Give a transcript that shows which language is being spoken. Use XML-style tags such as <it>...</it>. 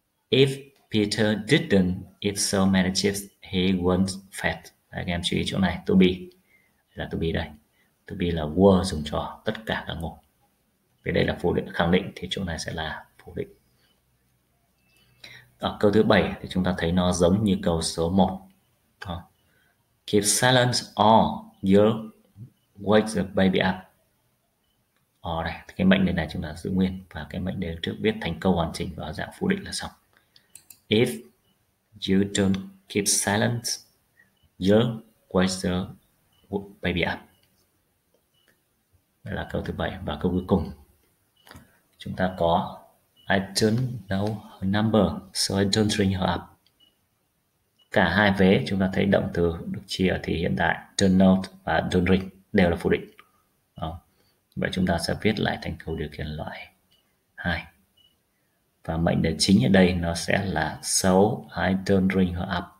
<en>If Peter didn't eat so many chips, he wouldn't fat.</en> <vi>Các em chú ý chỗ này, to be là to be đây. To be là were dùng cho tất cả các ngôn. Vì đây là phủ định khẳng định thì chỗ này sẽ là phủ định. Ở câu thứ 7 thì chúng ta thấy nó giống như câu số 1.</vi> <en>Keep silent or you'll wake the baby up.</en> <vi>Ở đây, cái mệnh đề này chúng ta giữ nguyên và cái mệnh đề trước viết thành câu hoàn chỉnh và dạng phủ định là xong.</vi> <en>If you don't keep silent, you'll wake the baby up.</en> <vi>Đây là câu thứ 7 và câu cuối cùng. Chúng ta có</vi> <en>I don't know her number, so I don't ring her up.</en> <vi>Cả hai vế chúng ta thấy động từ được chia thì hiện tại don't know và don't ring đều là phủ định. Vậy chúng ta sẽ viết lại thành câu điều kiện loại 2. Và mệnh đề chính ở đây nó sẽ là</vi> <en>so I don't ring her up.</en>